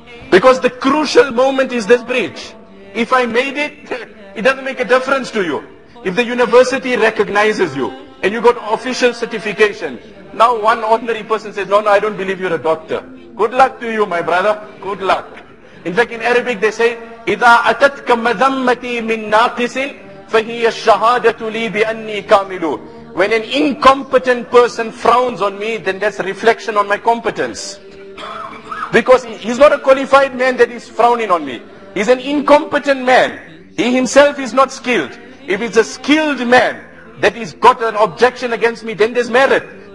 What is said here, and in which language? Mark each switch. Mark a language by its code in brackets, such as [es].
[en] Because the crucial moment is this bridge. If I made it, it doesn't make a difference to you. If the university recognizes you and you got official certification, now one ordinary person says, no, I don't believe you're a doctor. Good luck to you, my brother. Good luck. In fact, in Arabic, they say, [ar] إِذَا أَتَتْكَ مَذَمَّتِي مِن نَاقِسٍ فَهِيَ الشَّهَادَةُ لِي بِأَنِّي كَامِلُونَ. [en] When an incompetent person frowns on me, then that's a reflection on my competence. Because he's not a qualified man that is frowning on me. He's an incompetent man. He himself is not skilled. If it's a skilled man that he's got an objection against me, then there's merit.